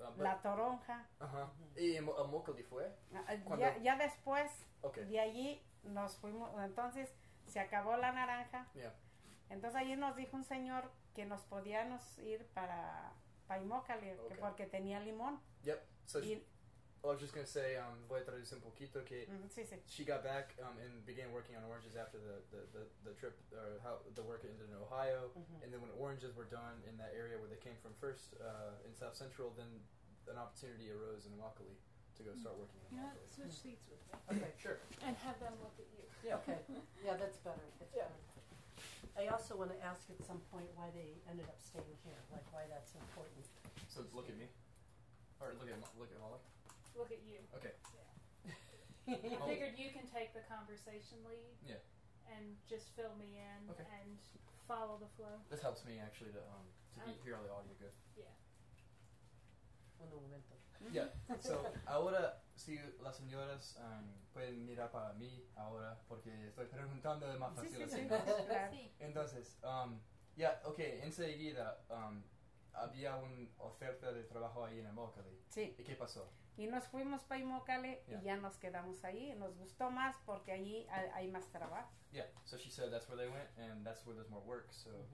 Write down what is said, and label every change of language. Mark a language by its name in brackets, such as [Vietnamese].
[Spanish] la toronja. ¿Y Mocali fue? Ya después, de allí nos fuimos, entonces se acabó la naranja. Entonces allí nos dijo un señor que nos podíamos ir para Mocali, porque tenía limón. [English] Yep. So I was just going to say, [Spanish] voy a traducir un poquito, [English] que she got back and began working on oranges after the trip, or how the work ended in Ohio, and then when oranges were done in that area where they came from first, in South Central, then an opportunity arose in Immokalee to go start working in Immokalee. Switch seats with me. Okay, sure. And have them look at you. Yeah, okay. Yeah, that's better. I also want to ask at some point why they ended up staying here, like why that's important. So look at me? Or look at Holly? Look at you. Okay. Yeah. I figured you can take the conversation lead. Yeah. And just fill me in and follow the flow. This helps me actually to be hear all the audio good. Yeah. [Spanish] Un momento. [English] Yeah. [Spanish] So ahora si las señoras pueden mirar para mí ahora porque estoy preguntando de más fácil. Sí. [English] Entonces, yeah. Okay. [Spanish] Enseguida, había una oferta de trabajo ahí en Immokalee. Sí. ¿Y qué pasó? Y nos fuimos para Immokalee y ya nos quedamos ahí. Nos gustó más porque allí hay más trabajo. [English] Yeah, so she said that's where they went and that's where there's more work, so.